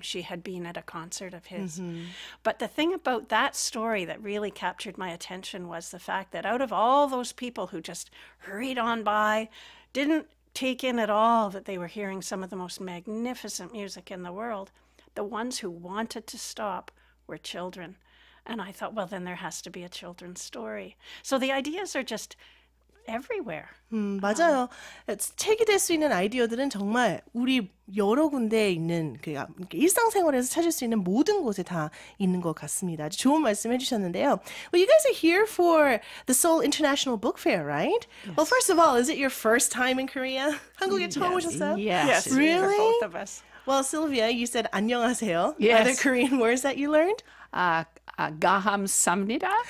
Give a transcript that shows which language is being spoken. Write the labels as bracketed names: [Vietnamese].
[English] She had been at a concert of his. But the thing about that story that really captured my attention was the fact that out of all those people who just hurried on by, didn't take in at all that they were hearing some of the most magnificent music in the world, the ones who wanted to stop were children. And I thought, well, then there has to be a children's story. So the ideas are just everywhere. [Korean] 맞아요. 책이 될 수 있는 아이디어들은 정말 우리 여러 군데에 있는 그 일상생활에서 찾을 수 있는 모든 곳에 다 있는 것 같습니다. 아주 좋은 말씀 해주셨는데요. [English] Well, you guys are here for the Seoul International Book Fair, right? Yes. Well, first of all, is it your first time in Korea? [Korean] 한국에 처음 오셨어요? [English] Yes. Really? For both of us. Well, Sylvia, you said 안녕하세요. Yes. Are there Korean words that you learned? [Korean] 감사합니다.